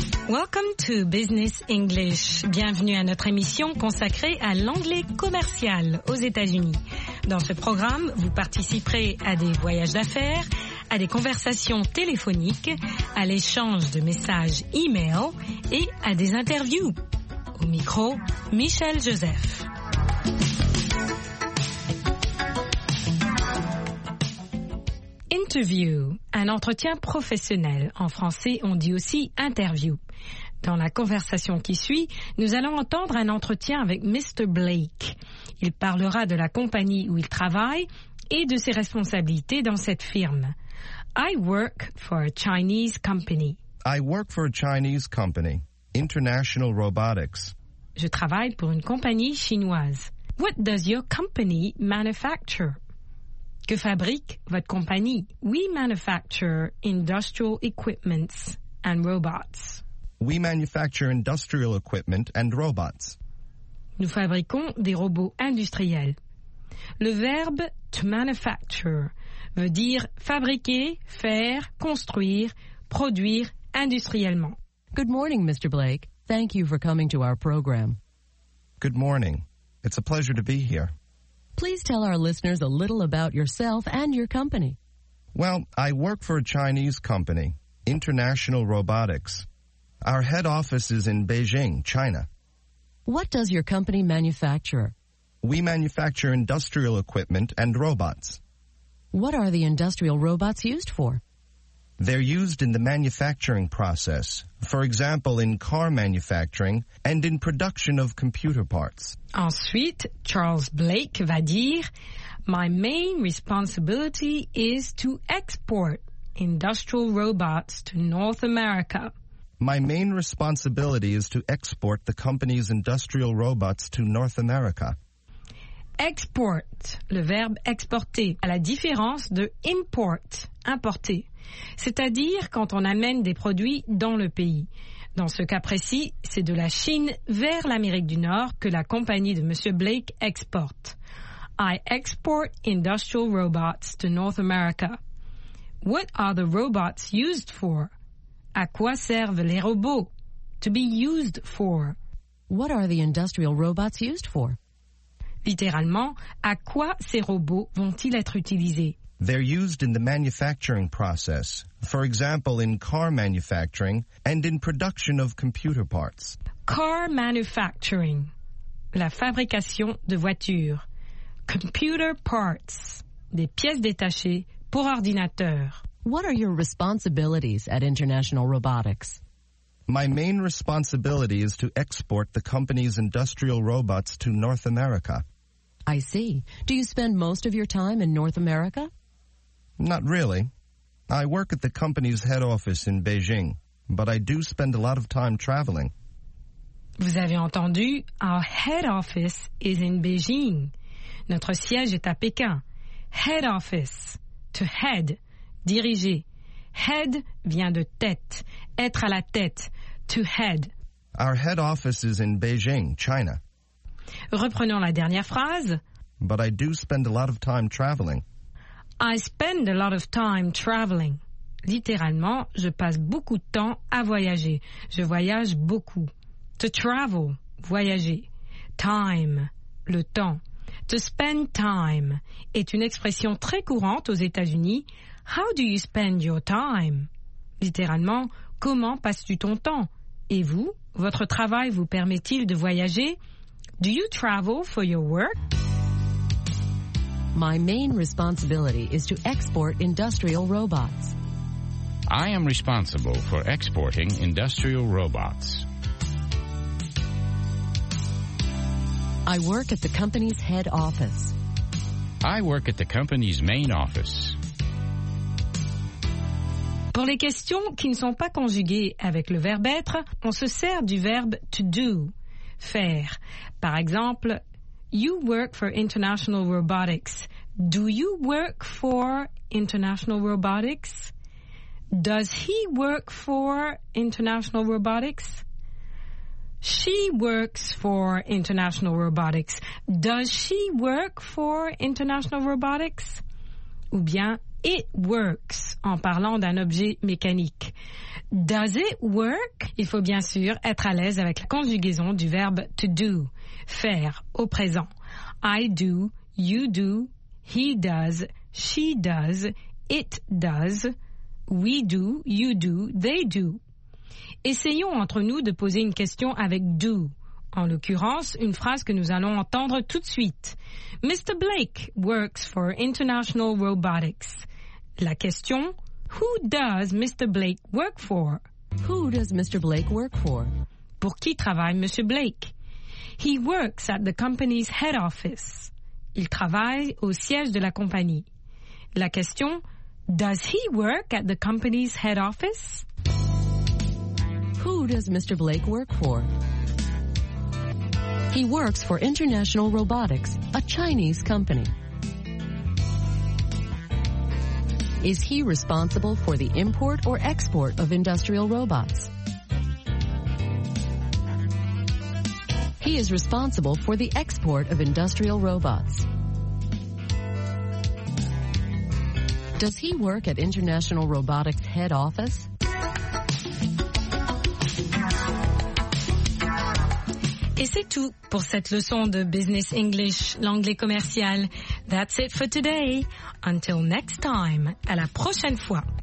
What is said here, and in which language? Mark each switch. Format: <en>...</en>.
<en>Welcome to Business English.</en> <fr>Bienvenue à notre émission consacrée à l'anglais commercial aux États-Unis. Dans ce programme, vous participerez à des voyages d'affaires, à des conversations téléphoniques, à l'échange de messages e-mail et à des interviews. Au micro, Michel Joseph. Interview, un entretien professionnel. En français, on dit aussi interview. Dans la conversation qui suit, nous allons entendre un entretien avec Mr. Blake. Il parlera de la compagnie où il travaille et de ses responsabilités dans cette firme.</fr> <en>I work for a Chinese company. I work for a Chinese company, International Robotics.</en> <fr>Je travaille pour une compagnie chinoise.</fr> <en>What does your company manufacture?</en> <fr>Que fabrique votre compagnie?</fr> <en>We manufacture industrial equipments and robots. We manufacture industrial equipment and robots.</en> <fr>Nous fabriquons des robots industriels. Le verbe to manufacture veut dire fabriquer, faire, construire, produire industriellement.</fr> <en>Good morning, Mr. Blake. Thank you for coming to our program. Good morning. It's a pleasure to be here. Please tell our listeners a little about yourself and your company. Well, I work for a Chinese company, International Robotics. Our head office is in Beijing, China. What does your company manufacture? We manufacture industrial equipment and robots. What are the industrial robots used for? They're used in the manufacturing process, for example, in car manufacturing and in production of computer parts.</en> <fr>Ensuite, Charles Blake va dire,</fr> <en>My main responsibility is to export industrial robots to North America. My main responsibility is to export the company's industrial robots to North America.</en> <fr>Export, le verbe exporter, à la différence de import, importer. C'est-à-dire quand on amène des produits dans le pays. Dans ce cas précis, c'est de la Chine vers l'Amérique du Nord que la compagnie de Monsieur Blake exporte.</fr> <en>I export industrial robots to North America. What are the robots used for?</en> <fr>À quoi servent les robots?</fr> <en>To be used for. What are the industrial robots used for?</en> <fr>Littéralement, à quoi ces robots vont-ils être utilisés?</fr> <en>They're used in the manufacturing process. For example, in car manufacturing and in production of computer parts. Car manufacturing.</en> <fr>La fabrication de voitures.</fr> <en>Computer parts.</en> <fr>Des pièces détachées pour ordinateurs.</fr> <en>What are your responsibilities at International Robotics? My main responsibility is to export the company's industrial robots to North America. I see. Do you spend most of your time in North America? Not really. I work at the company's head office in Beijing, but I do spend a lot of time traveling.</en> <fr>Vous avez entendu,</fr> <en>our head office is in Beijing.</en> <fr>Notre siège est à Pékin. Head office, to head, diriger. Head vient de tête, être à la tête, to head.</fr> <en>Our head office is in Beijing, China.</en> <fr>Reprenons la dernière phrase.</fr> <en>But I do spend a lot of time traveling. I spend a lot of time traveling.</en> <fr>Littéralement, je passe beaucoup de temps à voyager. Je voyage beaucoup. To travel, voyager. Time, le temps. To spend time est une expression très courante aux États-Unis.</fr> <en>How do you spend your time?</en> <fr>Littéralement, comment passes-tu ton temps? Et vous, votre travail vous permet-il de voyager?</fr> <en>Do you travel for your work? My main responsibility is to export industrial robots. I am responsible for exporting industrial robots. I work at the company's head office. I work at the company's main office.</en> <fr>Pour les questions qui ne sont pas conjuguées avec le verbe être, on se sert du verbe to do, faire. Par exemple,</fr> <en>You work for International Robotics. Do you work for International Robotics? Does he work for International Robotics? She works for International Robotics. Does she work for International Robotics?</en> <fr>Ou bien,</fr> <en>it works,</en> <fr>en parlant d'un objet mécanique.</fr> <en>Does it work?</en> <fr>Il faut bien sûr être à l'aise avec la conjugaison du verbe to do, faire, au présent.</fr> <en>I do, you do, he does, she does, it does, we do, you do, they do.</en> <fr>Essayons entre nous de poser une question avec do. En l'occurrence, une phrase que nous allons entendre tout de suite.</fr> <en>Mr. Blake works for International Robotics.</en> <fr>La question,</fr> <en>who does Mr. Blake work for? Who does Mr. Blake work for?</en> <fr>Pour qui travaille Monsieur Blake?</fr> <en>He works at the company's head office.</en> <fr>Il travaille au siège de la compagnie. La question,</fr> <en>does he work at the company's head office? Who does Mr. Blake work for? He works for International Robotics, a Chinese company. Is he responsible for the import or export of industrial robots? He is responsible for the export of industrial robots. Does he work at International Robotics head office?</en> <fr>Et c'est tout pour cette leçon de Business English, l'anglais commercial.</fr> <en>That's it for today. Until next time,</en> <fr>à la prochaine fois.</fr>